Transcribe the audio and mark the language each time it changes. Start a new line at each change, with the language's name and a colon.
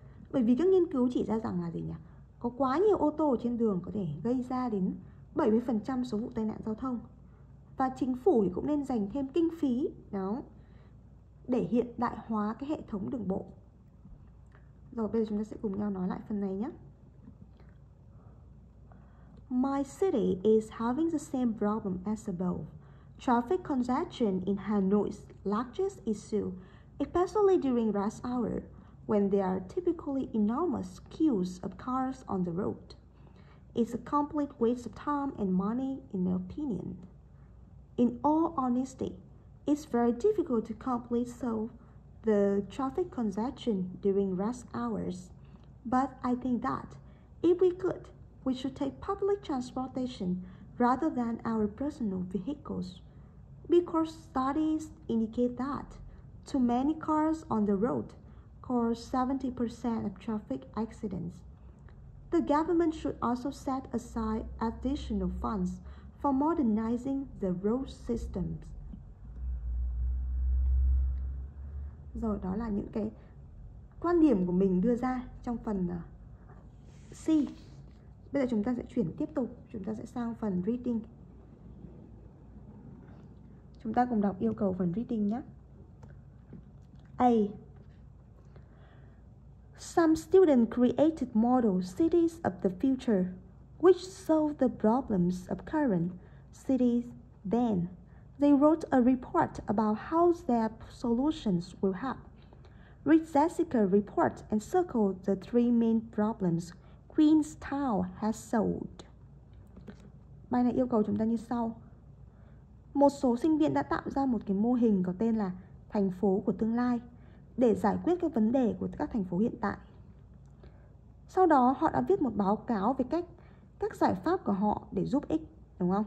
Vietnamese: Bởi vì các nghiên cứu chỉ ra rằng là gì nhỉ? Có quá nhiều ô tô trên đường có thể gây ra đến 70% số vụ tai nạn giao thông. Và chính phủ thì cũng nên dành thêm kinh phí đó để hiện đại hóa cái hệ thống đường bộ. Rồi bây giờ chúng ta sẽ cùng nhau nói lại phần này nhé.
English: My city is having the same problem as above. Traffic congestion in Hanoi's largest issue, especially during rush hour, when there are typically enormous queues of cars on the road. It's a complete waste of time and money, in my opinion. In all honesty, it's very difficult to completely solve the traffic congestion during rush hours. But I think that if we could, we should take public transportation rather than our personal vehicles. Because studies indicate that too many cars on the road cause 70% of traffic accidents. The government should also set aside additional funds for modernizing the road systems.
Vietnamese: Rồi đó là những cái quan điểm của mình đưa ra trong phần C. Bây giờ chúng ta sẽ chuyển tiếp tục, chúng ta sẽ sang phần reading. Chúng ta cùng đọc yêu cầu phần reading nhé.
English: A. Some students created model cities of the future, which solve the problems of current cities. Then, they wrote a report about how their solutions will help. Read Jessica's report and circle the three main problems Queenstown has solved.
Vietnamese: Bài này yêu cầu chúng ta như sau. Một số sinh viên đã tạo ra một cái mô hình có tên là thành phố của tương lai để giải quyết các vấn đề của các thành phố hiện tại. Sau đó họ đã viết một báo cáo về cách các giải pháp của họ để giúp ích, đúng không?